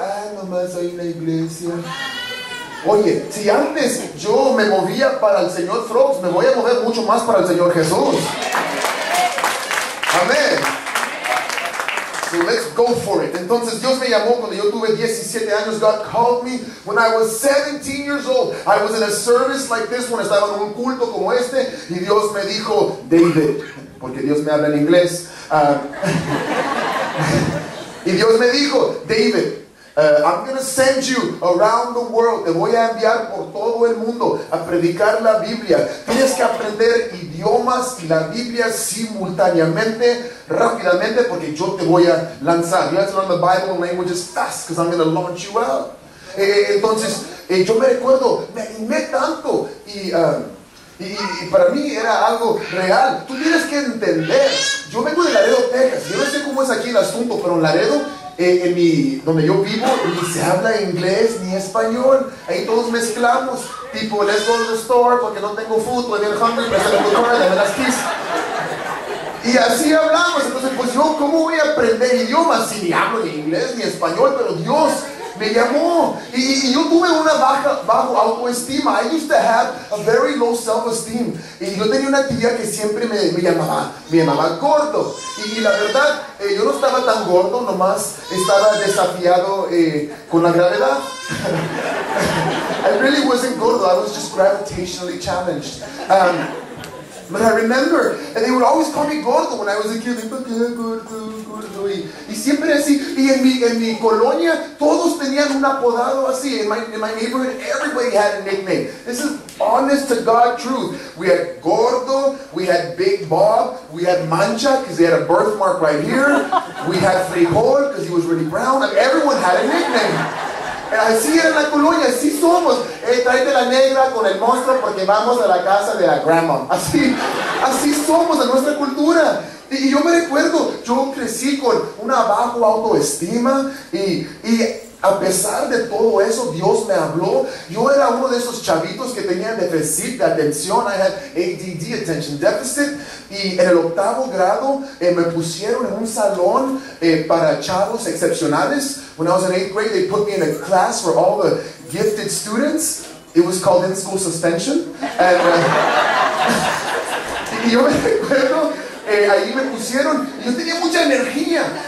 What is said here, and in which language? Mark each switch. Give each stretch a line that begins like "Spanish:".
Spanish: Ah, mamá, soy una iglesia. Oye, si antes yo me movía para el Señor Frogs, me voy a mover mucho más para el Señor Jesús. Amén.
English: So let's go for it.
Spanish: Entonces Dios me llamó cuando yo tuve 17 años.
English: God called me when I was 17 years old. I was in a service like this, when
Spanish: estaba en un culto como este, y Dios me dijo, David, porque Dios me habla en inglés. Y Dios me dijo, David,
English: I'm going to send you around the world.
Spanish: Te voy a enviar por todo el mundo a predicar la Biblia. Tienes que aprender idiomas y la Biblia simultáneamente, rápidamente, porque yo te voy a lanzar.
English: You have to learn the Bible and languages fast, because I'm going to launch you out.
Spanish: Entonces, yo me recuerdo, me animé tanto y para mí era algo real. Tú tienes que entender. Yo vengo de Laredo, Texas. Yo no sé cómo es aquí el asunto, pero en Laredo, donde yo vivo, ni se habla inglés ni español. Ahí todos mezclamos. Tipo,
English: let's go to the store
Spanish: porque no tengo food.
English: I'm hungry,
Spanish: me sale
English: the car,
Spanish: dame las
English: keys.
Spanish: Y así hablamos. Entonces, pues yo, ¿cómo voy a aprender idiomas si ni hablo ni inglés ni español? Pero Dios me llamó. Y yo tuve una bajo autoestima. I used to have a very low self-esteem. Y yo tenía una tía que siempre me llamaba gordo. Y la verdad, yo no estaba tan gordo, nomás estaba desafiado con la gravedad.
English: I really wasn't gordo, I was just gravitationally challenged. But I remember, and they would always call me gordo when I was a kid. They'd be like, gordo, gordo.
Spanish: Y siempre así. Y en mi colonia, todos tenían un apodado así.
English: In my neighborhood, everybody had a nickname. This is honest to God truth. We had Gordo. We had Big Bob. We had Mancha, because he had a birthmark right here. We had Frijol, because he was really brown. Like, everyone had a nickname.
Spanish: Así era la colonia, así somos. Tráete la negra con el monstruo porque vamos a la casa de la grandma. Así somos, en nuestra cultura. Y yo me recuerdo, yo crecí con una baja autoestima y a pesar de todo eso, Dios me habló. Yo era uno de esos chavitos que tenía déficit de atención.
English: I had ADD, attention deficit.
Spanish: Y en el octavo grado me pusieron en un salón para chavos excepcionales.
English: When I was in eighth grade, they put me in a class for all the gifted students. It was called in-school suspension.
Spanish: Y yo me recuerdo, ahí me pusieron, yo tenía mucha energía.